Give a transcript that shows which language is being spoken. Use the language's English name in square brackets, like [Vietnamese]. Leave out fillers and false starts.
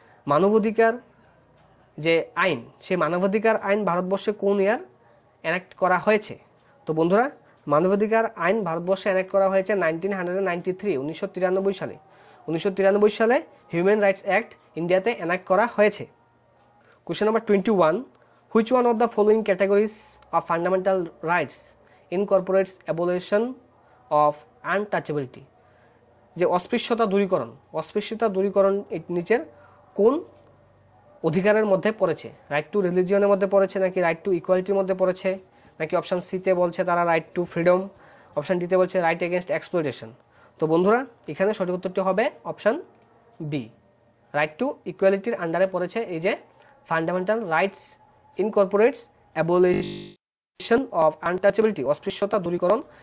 [Bangla] মানবাধিকার যে আইন সেই মানবাধিকার আইন ভারতবর্ষে কোন ইয়ার অ্যানাক্ট করা হয়েছে। তো বন্ধুরা মানবাধিকার আইন ভারতবর্ষে অ্যানাক্ট করা হয়েছে 1993 সালে হিউম্যান রাইটস অ্যাক্ট ইন্ডিয়াতে অ্যানাক্ট করা হয়েছে। [English] Question number 21. Which one of the following categories of fundamental rights incorporates abolition of untouchability? [Bangla] যে অস্পৃশ্যতা দূরীকরণ, অস্পৃশ্যতা দূরীকরণ এর নিচে কোন অধিকারের মধ্যে পড়েছে? রাইট টু রিলিজিয়নের মধ্যে পড়েছে নাকি রাইট টু ইকুয়ালিটির মধ্যে পড়েছে নাকি অপশন সি তে বলছে তারা right two freedom, option D তে বলছে রাইট এগেইনস্ট এক্সপ্লয়টেশন। তো বন্ধুরা এখানে সঠিক উত্তরটি হবে অপশন বি, রাইট টু ইকুয়ালিটির আন্ডারে পড়েছে এই যে fundamental rights ইনকর্পোরেটস abolition of untouchability, অস্পৃশ্যতা দূরীকরণ।